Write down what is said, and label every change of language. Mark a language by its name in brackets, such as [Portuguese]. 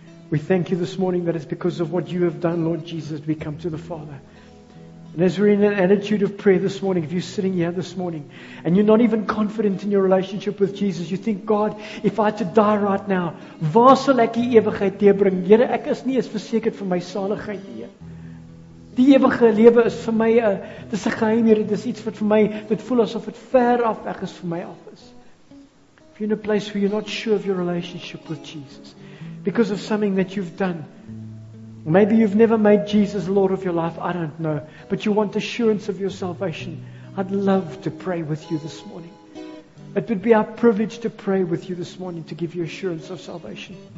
[English] We thank you this morning that it's because of what you have done, Lord Jesus, we come to the Father. And as we're in an attitude of prayer this morning, if you're sitting here this morning and you're not even confident in your relationship with Jesus, you think, God, if I had to die right now, [Afrikaans] waar sal ek die ewigheid deurbring? Here, ek is nie eens versekerd van my saligheid nie. Die ewige lewe is vir my, dis 'n geheim, Here, dis iets wat vir my, dit voel asof dit ver af weg is vir my af is. [English] If you're in a place where you're not sure of your relationship with Jesus, because of something that you've done, maybe you've never made Jesus Lord of your life, I don't know, but you want assurance of your salvation, I'd love to pray with you this morning. It would be our privilege to pray with you this morning to give you assurance of salvation.